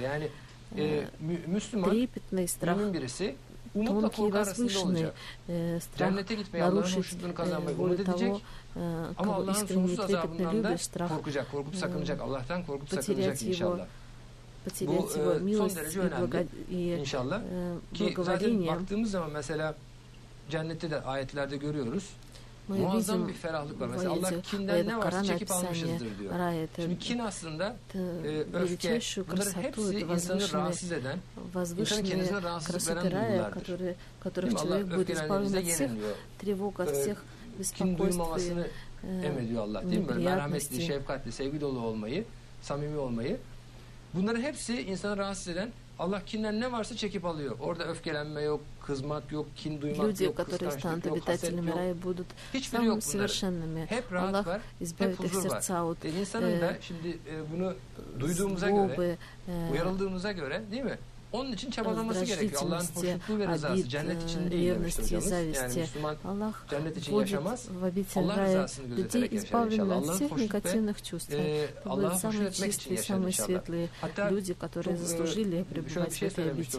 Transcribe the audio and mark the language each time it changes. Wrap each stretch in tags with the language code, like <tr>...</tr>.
<tr>Yani Müslüman, mümin birisi</tr> <ru>тонкие, возвышенные страх, нарушить волю того, кого искренне трепетно любишь, страх потерять его, милость и благоволение.</ru> <tr>Cennette de ayetlerde görüyoruz. Muazzam bir ferahlık var. Mesela Allah kinden ne varsa çekip almışızdır diyor. Şimdi kin aslında öfke, bunların hepsi insanı rahatsız eden, insanı kendisine rahatsız veren duygulardır. Allah öfkelendiğinizde yeniliyor. Kin duymamasını emrediyor Allah. Değil mi? Böyle merhametli, şefkatli, sevgi dolu olmayı, samimi olmayı. Bunların hepsi insanı rahatsız eden, Allah kinden ne varsa çekip alıyor. Orada öfkelenme yok, kızmak yok, kin duymak</tr> <ru>люди,</ru> <tr>yok, kıskançlık yok, haset yok.</tr> <ru>Рай,</ru> <tr>hiçbiri yok bunların. Hep rahat Allah var, hep huzur var.</tr> <ru>Вот,</ru> <tr>İnsanın da şimdi bunu duyduğumuza göre, uyarıldığımıza göre değil mi? Onun için çabalaması gerekiyor. Allah'ın hoşnutluğu ve rızası cennet için değil demiş hocamız. Yani Müslüman Allah cennet için yaşamaz. Allah rızasını gözeterek yaşar inşallah. Allah'ın hoşnutluğu ve Allah'ın hoşnutluğu için yaşar inşallah. Hatta</tr> <ru>люди, которые заслужили пребывать в этой обители.</ru> <tr>Şöyle bir şey söylemişti</tr>